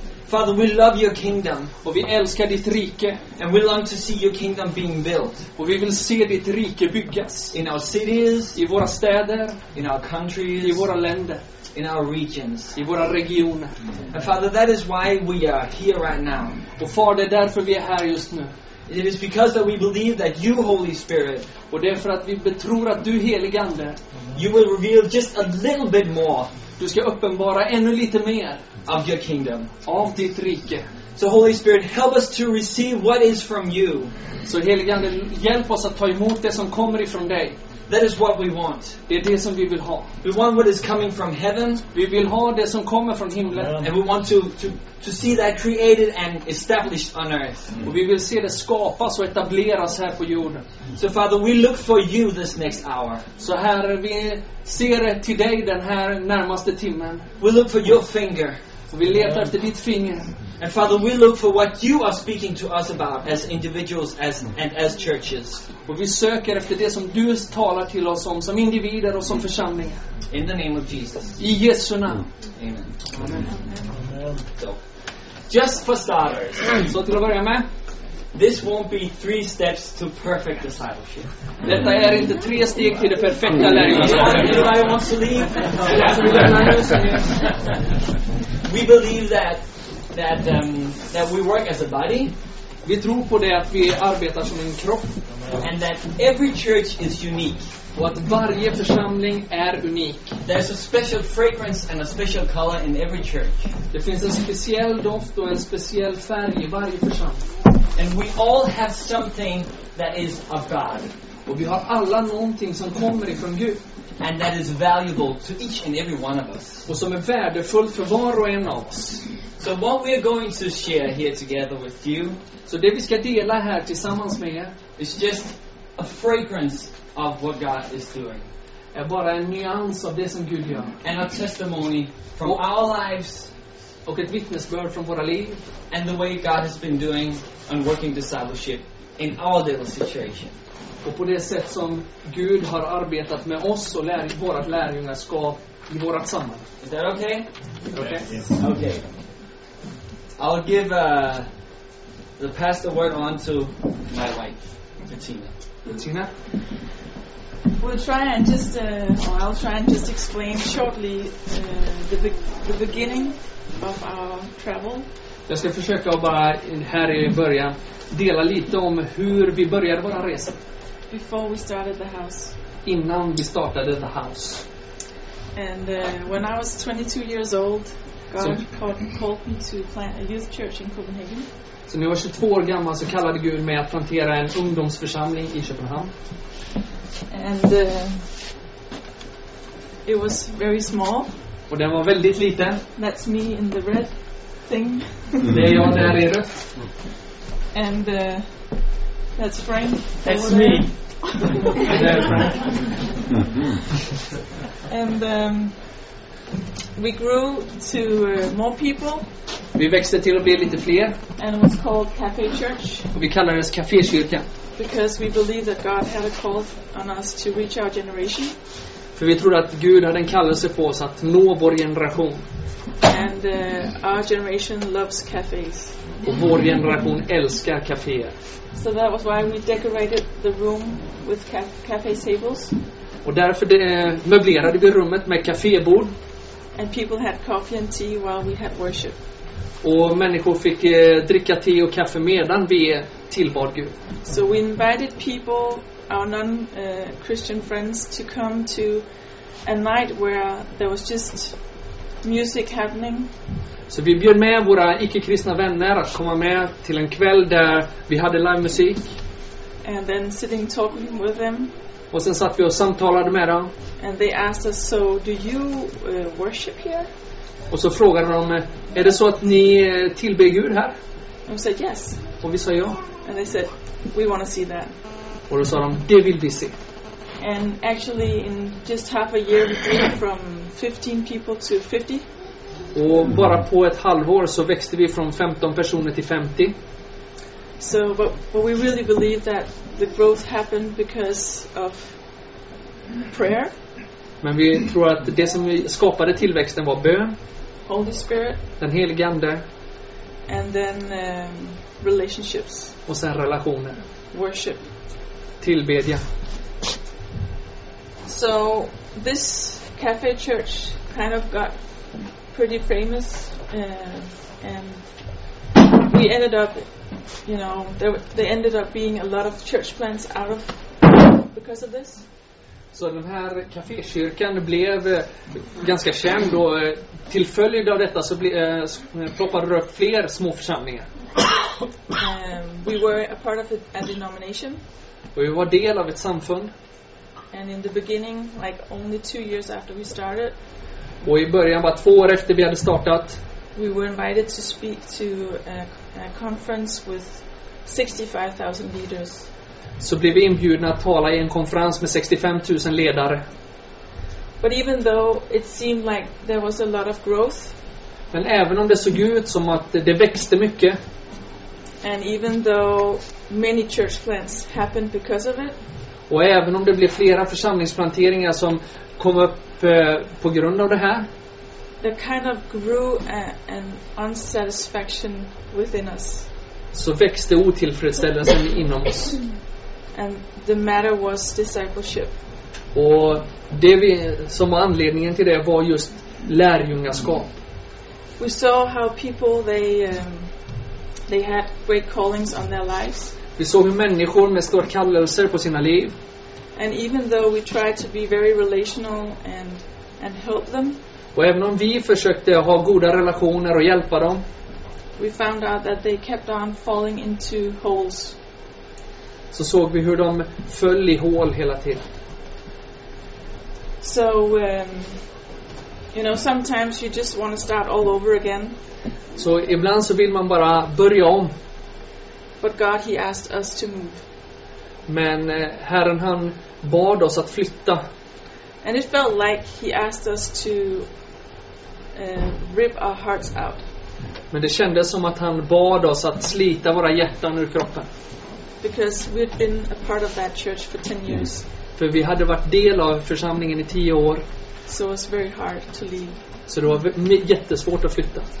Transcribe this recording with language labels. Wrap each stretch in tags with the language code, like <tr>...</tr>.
<en>Father, we love your kingdom.</en> <sv>Och vi älskar ditt rike.</sv> <en>And we long to see your kingdom being built.</en> <sv>Och vi vill se ditt rike byggas.</sv> <en>In our cities.</en> <sv>I våra städer.</sv> <en>In our countries.</en> <sv>I våra länder.</sv> <en>In our regions.</en> <sv>I våra regioner.</sv> <en>And Father, that is why we are here right now.</en> <sv>Och far, det är därför vi är här just nu.</sv> <en>It is because that we believe that you, Holy Spirit,</en> <sv>och det är för att vi betror att du, Helige Ande,</sv> <en>you will reveal just a little bit more.</en> <sv>Du ska uppenbara ännu lite mer</sv> <en>of your kingdom,</en> <sv>av ditt rike.</sv> <en>So Holy Spirit, help us to receive what is from you.</en> <sv>Så Helige Ande, hjälp oss att ta emot det som kommer ifrån dig.</sv> <en>That is what we want.</en> <sv>Det är det som vi vill ha.</sv> <en>We want what is coming from heaven. Vi vill ha det som kommer från himlen. Yeah. And we want to see that created and established on earth. Mm.</en> <sv>Och vi vill se det skapas och etableras här på jorden. Mm.</sv> <en>So Father, we look for you this next hour.</en> <sv>Så Herre, vi ser till dig den här närmaste timmen.</sv> <en>We look for your finger.</en> <sv>Och vi letar efter ditt finger.</sv> <en>And Father, we look for what you are speaking to us about as individuals and as churches.</en> <sv>Och vi söker efter det som du talar till oss om som individer och som församling.</sv> <en>In the name of Jesus.</en> <sv>I Jesu namn.</sv> <en>Amen.</en> <sv>Amen.</sv> <en>So, just for starters.</en> <sv>Så till att börja med.</sv> <en>This won't be three steps to perfect discipleship.</en> <sv>Detta är inte tre steg till det perfekta lärjungaskapet.</sv> <en>We believe that we work as a body.</en> <sv>Vi tror på det att vi arbetar som en kropp.</sv> <en>And that every church is unique.</en> <sv>Och att varje församling är unik.</sv> <en>There's a special fragrance and a special color in every church.</en> <sv>Det finns en speciell doft och en speciell färg i varje församling.</sv> <en>And we all have something that is of God.</en> <sv>Och vi har alla någonting som kommer ifrån Gud.</sv> <en>And that is valuable to each and every one of us.</en> <sv>Och som är värdefullt för var och en av oss.</sv> <en>So what we are going to share here together with you.</en> <sv>Så det vi ska dela här tillsammans med er.</sv> <en>Is just a fragrance of what God is doing.</en> <sv>Är bara en nyans av det som Gud gör.</sv> <en>And a testimony from our lives.</en> <sv>Och ett vittnesbörd från våra liv.</sv> <en>And the way God has been doing and working discipleship in our little situation.</en> <sv>Och på det sätt som Gud har arbetat med oss och vårat lärjungaskap i vårat samhälle.</sv> <en>Is that okay? Okay. Okay. I'll give the pass the word on to my wife, Bettina. Bettina? I'll try and just explain shortly the beginning of our travel.</en> <sv>Jag ska försöka bara här i början dela lite om hur vi började våra resor.</sv> <en>Before we started the house.</en> <sv>Innan vi startade the house.</sv> <en>And when I was 22 years old, God called me to plant a youth church in Copenhagen.</en> <sv>Så när jag var 22 år gammal så kallade Gud mig att plantera en ungdomsförsamling i Köpenhamn.</sv> <en>And it was very small.</en> <sv>Och den var väldigt liten.</sv> <en>That's me in the red thing.</en> <sv>Det är jag där i rött.</sv> <en>And that's Frank. That's me. And we grew to more people.</en> <sv>Vi växte till att bli lite fler.</sv> <en>And it was called Cafe Church.</en> <sv>Och vi kallar det kafékyrka.</sv> <en>Because we believe that God had a call on us to reach our generation.</en> <sv>För vi tror att Gud hade en kallelse på oss att nå vår generation.</sv> <en>And our generation loves cafes.</en> <sv>Och vår generation älskar kaféer.</sv> <en>So that was why we decorated the room with cafe tables.</en> <sv>Och därför möblerade vi rummet med kafébord.</sv> <en>And people had coffee and tea while we had worship.</en> <sv>Och människor fick dricka te och kaffe medan vi tillbad Gud.</sv> <en>So we invited people, our non-Christian friends, to come to a night where there was just music happening.</en> <sv>Så vi bjöd med våra icke-kristna vänner att komma med till en kväll där vi hade live musik.</sv> <en>And then sitting talking with them.</en> <sv>Och sen satt vi och samtalade med dem.</sv> <en>And they asked us, so do you worship here?</en> <sv>Och så frågade de, är det så att ni tillber Gud här?</sv> <en>And we said yes.</en> <sv>Och vi sa ja.</sv> <en>And they said, we want to see that.</en> <sv>Och då sa de, det vill vi se.</sv> <en>And actually in just half a year we grew from 15 people to 50.</en> <sv>Och bara på ett halvår så växte vi från 15 personer till 50.</sv> <en>So but we really believe that the growth happened because of prayer.</en> <sv>Men vi tror att det som vi skapade tillväxten var bön.</sv> <en>Holy Spirit.</en> <sv>Den helige ande.</sv> <en>And then relationships.</en> <sv>Och sen relationer.</sv> <en>Worship.</en> <sv>Tillbedja.</sv> <en>So this cafe church kind of got pretty famous and we ended up, you know, they ended up being a lot of church plants out of because of this.</en> <sv>Så den här kafékyrkan blev ganska känd och till följd av detta så ploppade det upp fler små församlingar.</sv> <en>We were a part of a denomination.</en> <sv>Och vi var del av ett samfund.</sv> <en>And in the beginning, like only 2 years after we started.</en> <sv>Och i början bara 2 år efter vi hade startat.</sv> <en>We were invited to speak to a conference with 65,000 leaders.</en> <sv>Så blev vi inbjudna att tala i en konferens med 65,000 ledare.</sv> <en>But even though it seemed like there was a lot of growth.</en> <sv>Men även om det såg ut som att det växte mycket.</sv> <en>And even though many church plants happened because of it.</en> <sv>Och även om det blev flera församlingsplanteringar som kom upp på grund av det här.</sv> <en>There kind of grew an unsatisfaction within us.</en> <sv>Så växte otillfredsställelsen inom oss.</sv> <en>And the matter was discipleship.</en> <sv>Och det vi, som var anledningen till det var just lärjungaskap.</sv> <en>We saw how people they had great callings on their lives.</en> <sv>Vi såg hur människor med stora kallelser på sina liv.</sv> <en>And even though we tried to be very relational and help them.</en> <sv>Och även om vi försökte ha goda relationer och hjälpa dem.</sv> <en>We found out that they kept on falling into holes.</en> <sv>Så såg vi hur de föll i hål hela tiden.</sv> <en>So you know, sometimes you just want to start all over again.</en> <sv>Så ibland så vill man bara börja om.</sv> <en>But God, he asked us to move.</en> <sv>Men Herren han bad oss att flytta.</sv> <en>And it felt like he asked us to rip our hearts out.</en> <sv>Men det kändes som att han bad oss att slita våra hjärtan ur kroppen.</sv> <en>Because we'd been a part of that church for 10 years.</en> <sv>För vi hade varit del av församlingen i 10 år.</sv> <en>So it was very hard to leave.</en> <sv>Så det var jättesvårt att flytta.</sv>